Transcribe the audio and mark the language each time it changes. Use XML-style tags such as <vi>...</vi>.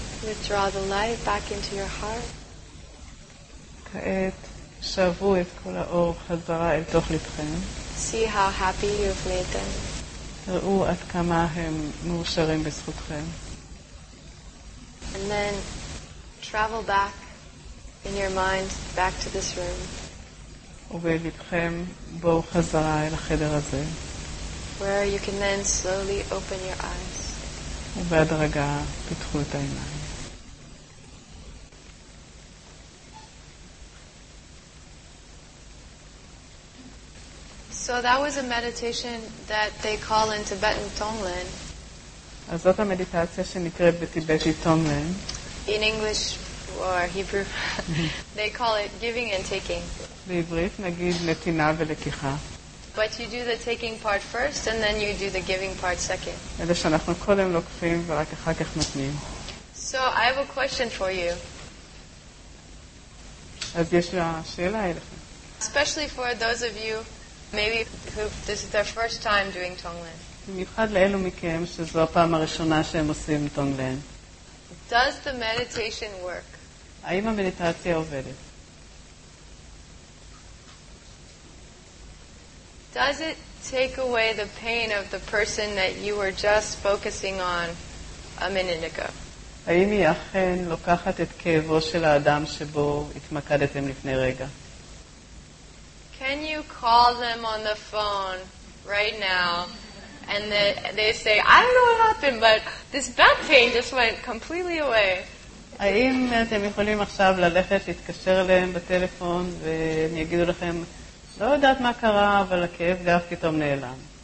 <en>withdraw the light back into your heart.</en> <he>כעת שאבו את כל האור חזרה אל תוך לבכם.</he> <en>See how happy you've made them.</en> <he>תראו עד כמה הם מאושרים בזכותכם.</he> <en>And then travel back in your mind back to this room.</en> <he>ובלבכם בואו חזרה אל החדר הזה.</he> <en>Where you can then slowly open your eyes.</en> <he>ובהדרגה פתחו את העיניים.</he> <en>So that was a meditation that they call in Tibetan Tonglen.</en> <he>אז זאת המדיטציה שנקראת בטיבטית טונגלן.</he> <en>In English or Hebrew, they call it giving and taking.</en> <he>בעברית נגיד נתינה ולקיחה.</he> <en>But you do the taking part first and then you do the giving part second.</en> <he>אלא שאנחנו קודם לוקחים ורק אחר כך נותנים.</he> <en>So I have a question for you.</en> <he>אז יש לי שאלה אליכם.</he> <en>Especially for those of you maybe who this is their first time doing tonglen.</en> <he>במיוחד לאלו מכם שזו הפעם הראשונה שהם עושים tonglen.</he> <en>Does the meditation work?</en> <he>האם המדיטציה עובדת?</he> <en>Does it take away the pain of the person that you were just focusing on a minute ago?</en> <he>האם היא אכן לוקחת את כאבו של האדם שבו התמקדתם לפני רגע?</he> <en>Can you call them on the phone right now and they say I don't know what happened but this back pain just went completely away.</en> <he>האם אתם יכולים עכשיו ללכת להתקשר אליהם בטלפון ואני אגיד לכם לא יודעת מה קרה אבל הכאב גב פתאום נעלם.</he>